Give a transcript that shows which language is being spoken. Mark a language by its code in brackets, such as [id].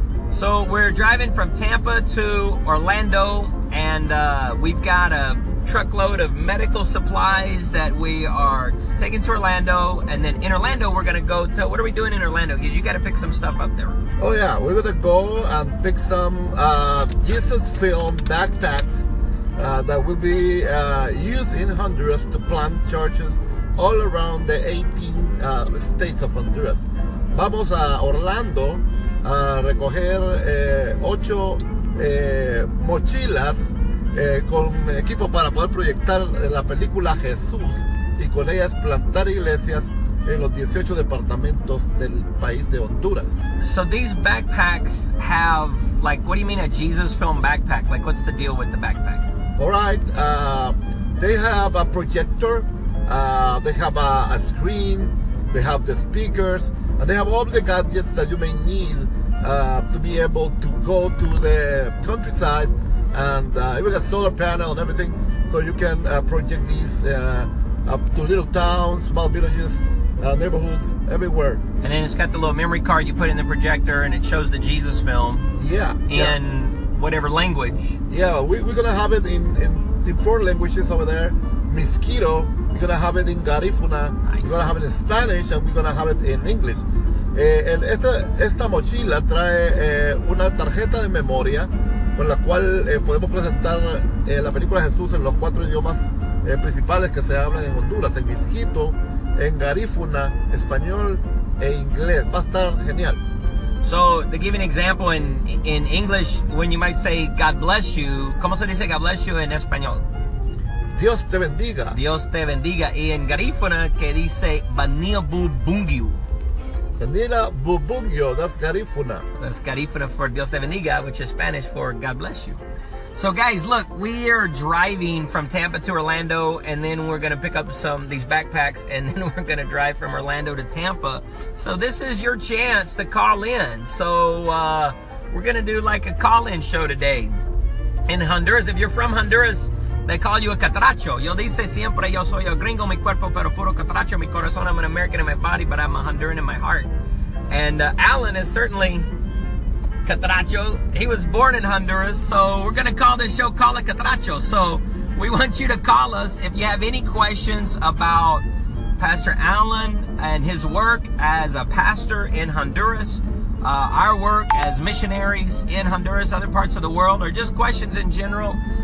[en] So we're driving from Tampa to Orlando, and we've got a truckload of medical supplies that we are taking to Orlando, and then in Orlando we're going to go to, what are we doing in Orlando? Because you got to pick some stuff up there. Oh yeah, we're going to go and pick some Jesus film backpacks that will be used in Honduras to plant churches all around the 18 states of Honduras. [es] Vamos a Orlando a recoger ocho mochilas con equipo para poder proyectar la película Jesús y con ellas plantar iglesias en los 18 departamentos del país de Honduras. [en] So these backpacks have, like, what do you mean a Jesus film backpack? Like, what's the deal with the backpack? All right, they have a projector, they have a screen, they have the speakers, and they have all the gadgets that you may need to be able to go to the countryside, and even a solar panel and everything, so you can project these up to little towns, small villages, neighborhoods, everywhere. And then it's got the little memory card you put in the projector, and it shows the Jesus film. Yeah. In whatever language. Yeah, we're gonna have it in four languages over there. Miskito, we're gonna have it in Garifuna, nice. We're gonna have it in Spanish, and we're gonna have it in English. [es] Esta mochila trae una tarjeta de memoria con la cual podemos presentar la película Jesús en los cuatro idiomas principales que se hablan en Honduras, en Miskito, en Garífuna, español e inglés. Va a estar genial. [en] So, to give an example in English, when you might say God bless you, [es] ¿cómo se dice God bless you en español? Dios te bendiga. Dios te bendiga. Y en Garífuna, que dice [cab] Baniabu Bungiu. Bendiga bubungyo, [en] that's Garifuna. That's Garifuna for [es] Dios te bendiga, [en] which is Spanish for God bless you. So guys, look, we are driving from Tampa to Orlando, and then we're going to pick up some these backpacks, and then we're going to drive from Orlando to Tampa. So this is your chance to call in. So we're going to do like a call-in show today. In Honduras, if you're from Honduras, they call you a catracho. [es] Yo dice siempre, yo soy el gringo, mi cuerpo, pero puro catracho, mi corazón. [en] I'm an American in my body, but I'm a Honduran in my heart. And Alan is certainly catracho. He was born in Honduras, so we're going to call this show Call a Catracho. So we want you to call us if you have any questions about Pastor Alan and his work as a pastor in Honduras, our work as missionaries in Honduras, other parts of the world, or just questions in general.